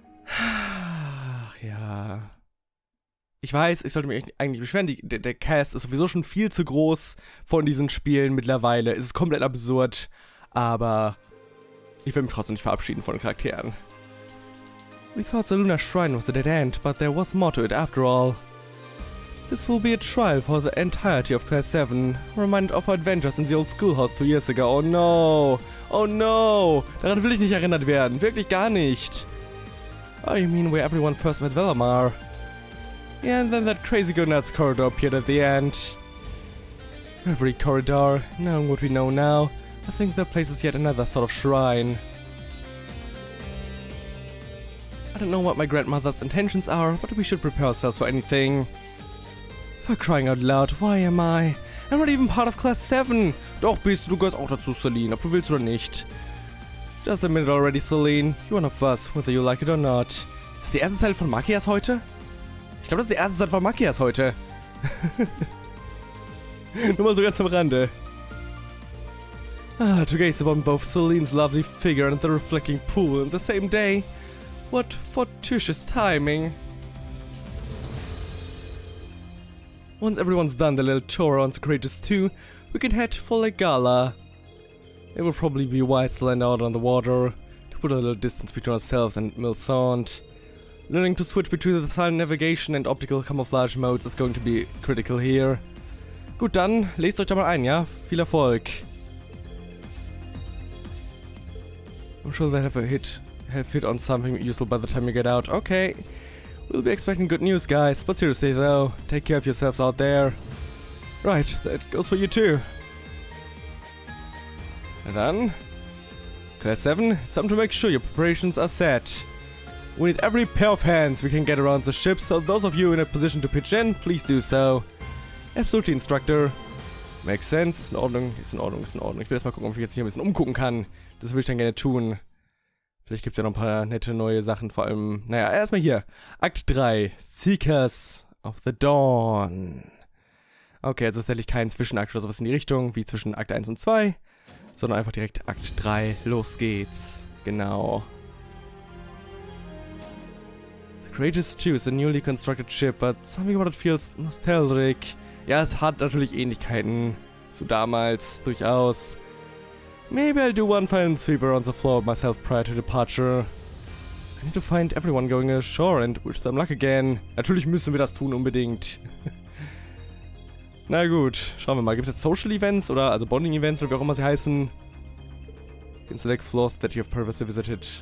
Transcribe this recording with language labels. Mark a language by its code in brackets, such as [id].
[de] Ach ja. Ich weiß, ich sollte mich eigentlich beschweren, der Cast ist sowieso schon viel zu groß von diesen Spielen mittlerweile. Es ist komplett absurd, aber ich will mich trotzdem nicht verabschieden von den Charakteren. [en] We thought the Lunar Shrine was a dead end, but there was more to it after all. This will be a trial for the entirety of Class 7, reminded of our adventures in the old schoolhouse 2 years ago. Oh no! Oh no! [de] Daran will ich nicht erinnert werden, wirklich gar nicht! [en] Oh, you mean where everyone first met Velamar? Yeah, and then that crazy go-nuts corridor appeared at the end. Every corridor, knowing what we know now, I think the place is yet another sort of shrine. I don't know what my grandmother's intentions are, but we should prepare ourselves for anything. For crying out loud, why am I? I'm not even part of Class 7! [de] Doch bist du, gehörst auch dazu, Selene, ob du willst oder nicht. [en] Just a minute already, Selene. You're one of us, whether you like it or not. [de] Ist das die erste Zeile von Machias heute? Ich glaube, das ist die erste Zeile von Machias heute. Nur mal so ganz am Rande. [en] Ah, to gaze upon both Selene's lovely figure and the reflecting pool in the same day. What fortuitous timing. Once everyone's done the little tour on Secretus 2, we can head for Legala. It will probably be wise to land out on the water. It put a little distance between ourselves and Milsand. Learning to switch between the silent navigation and optical camouflage modes is going to be critical here. [de] Gut, dann lest euch da mal ein, ja? Viel Erfolg. [en] I'm sure they'll have hit on something useful by the time you get out. Okay. We'll be expecting good news, guys. But seriously, though, take care of yourselves out there. Right, that goes for you too. And then, Class 7, it's time to make sure your preparations are set. We need every pair of hands we can get around the ship, so those of you in a position to pitch in, please do so. Absolutely, Instructor. Makes sense, [de] ist in Ordnung, ist in Ordnung, ist in Ordnung. Ich will erst mal gucken, ob ich jetzt hier ein bisschen umgucken kann. Das würde ich dann gerne tun. Vielleicht gibt es ja noch ein paar nette neue Sachen, vor allem, naja, erstmal hier. Akt 3, Seekers of the Dawn. Okay, also tatsächlich kein Zwischenakt oder sowas in die Richtung, wie zwischen Akt 1 und 2. Sondern einfach direkt Akt 3, los geht's. Genau. [en] The Courageous 2 is a newly constructed ship, but something about it feels nostalgic. [de] Ja, es hat natürlich Ähnlichkeiten zu damals, durchaus. [en] Maybe I'll do one final sweep around the floor myself prior to departure. I need to find everyone going ashore and wish them luck again. [de] Natürlich müssen wir das tun, unbedingt. Na gut, schauen wir mal. Gibt es jetzt Social Events oder also Bonding Events oder wie auch immer sie heißen? [en] You can select floors that you have previously visited.